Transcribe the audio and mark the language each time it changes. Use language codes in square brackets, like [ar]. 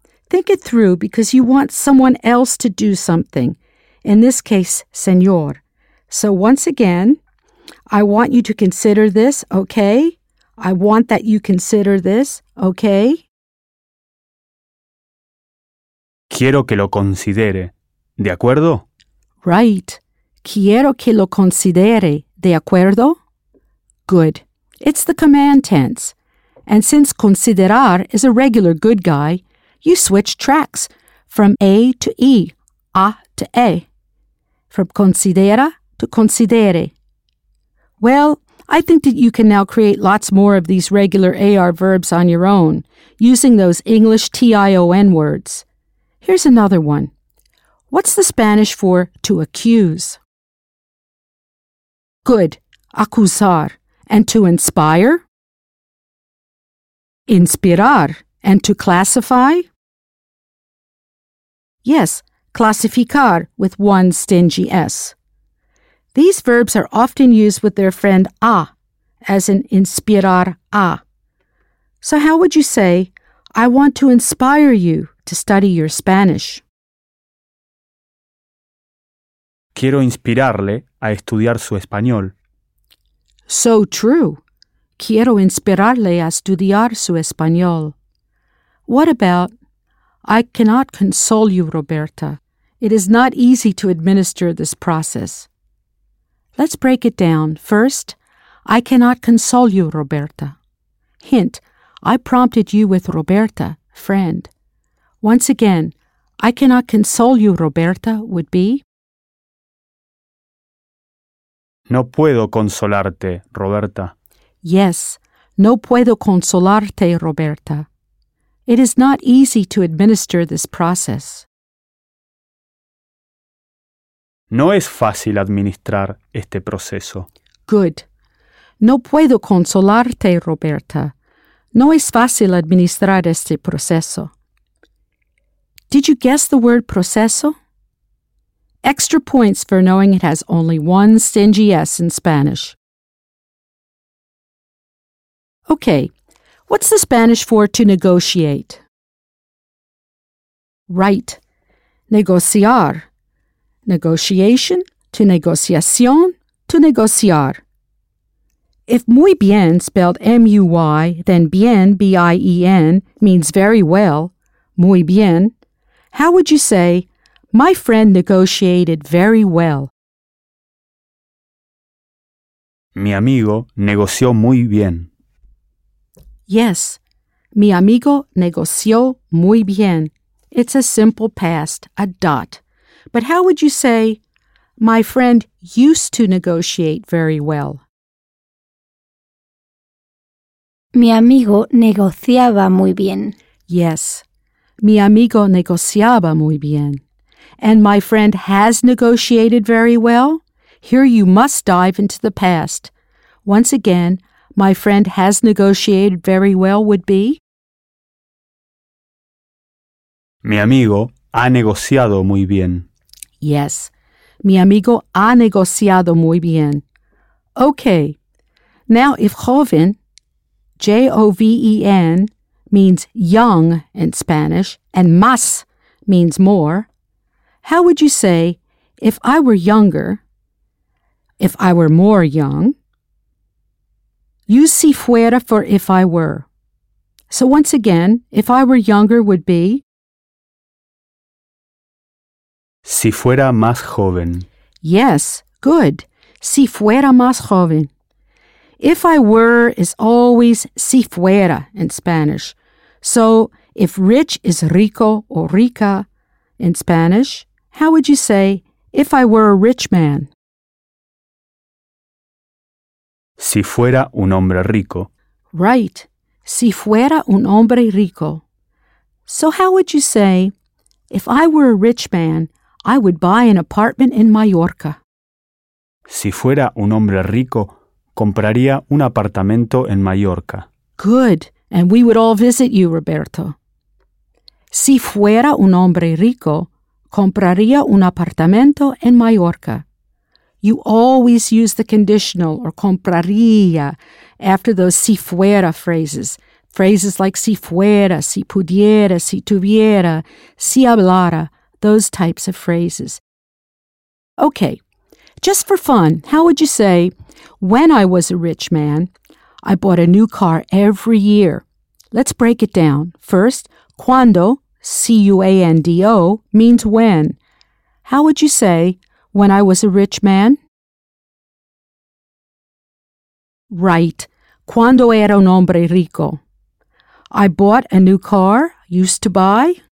[en] Think it through because you want someone else to do something, in this case, señor. So once again, I want you to consider this, okay? I want that you consider this, okay? [es] Quiero que lo considere, ¿de acuerdo? [en] Right. [es] Quiero que lo considere, ¿de acuerdo? [en] Good. It's the command tense. And since considerar is a regular good guy, you switch tracks from A to E, A to E. From considera to considere. Well, I think that you can now create lots more of these regular AR verbs on your own, using those English T-I-O-N words. Here's another one. What's the Spanish for to accuse? Good. Acusar. And to inspire? Inspirar. And to classify? Yes. Clasificar with one stingy S. These verbs are often used with their friend a, as in inspirar a. So how would you say, I want to inspire you to study your Spanish? [es] Quiero inspirarle a estudiar su español. [en] So true. [es] Quiero inspirarle a estudiar su español. [en] What about, I cannot console you, Roberta. It is not easy to administer this process. Let's break it down. First, I cannot console you, Roberta. Hint, I prompted you with Roberta, friend. Once again, I cannot console you, Roberta, would be... [es] No puedo consolarte, Roberta. [en] Yes, [es] no puedo consolarte, Roberta. [en] It is not easy to administer this process. [es] No es fácil administrar este proceso. [en] Good. [es] No puedo consolarte, Roberta. No es fácil administrar este proceso. [en] Did you guess the word proceso? Extra points for knowing it has only one stingy S in Spanish. Okay, what's the Spanish for to negotiate? Right. Negociar. Negotiation, to negociación, to negociar. If [es] muy bien, [en] spelled M-U-Y, then bien, B-I-E-N, means very well, muy bien, how would you say, my friend negotiated very well? [es] Mi amigo negoció muy bien. [en] Yes, [es] mi amigo negoció muy bien. [en] It's a simple past, a dot. But how would you say, my friend used to negotiate very well? [es] Mi amigo negociaba muy bien. [en] Yes, [es] mi amigo negociaba muy bien. [en] And my friend has negotiated very well? Here you must dive into the past. Once again, my friend has negotiated very well would be? [es] Mi amigo ha negociado muy bien. [en] Yes, [es] mi amigo ha negociado muy bien. [en] Okay, now if joven, J-O-V-E-N, means young in Spanish, and más means more, how would you say, if I were younger, if I were more young? Use [es] si fuera [en] for if I were. So once again, if I were younger would be? [es] Si fuera más joven. [en] Yes, good. [es] Si fuera más joven. [en] If I were is always [es] si fuera [en] in Spanish. So if rich is rico or rica in Spanish, how would you say, if I were a rich man? [es] Si fuera un hombre rico. [en] Right. [es] Si fuera un hombre rico. [en] So how would you say, if I were a rich man, I would buy an apartment in Mallorca? [es] Si fuera un hombre rico, compraría un apartamento en Mallorca. [en] Good. And we would all visit you, Roberto. [es] Si fuera un hombre rico, compraría un apartamento en Mallorca. [en] You always use the conditional or compraría after those [es] si fuera [en] phrases. Phrases like [es] si fuera, si pudiera, si tuviera, si hablara, [en] those types of phrases. Okay, just for fun, how would you say, when I was a rich man, I bought a new car every year? Let's break it down. First, cuando, C-U-A-N-D-O, means when. How would you say, when I was a rich man? Right. [es] Cuando era un hombre rico. [en] I bought a new car, used to buy.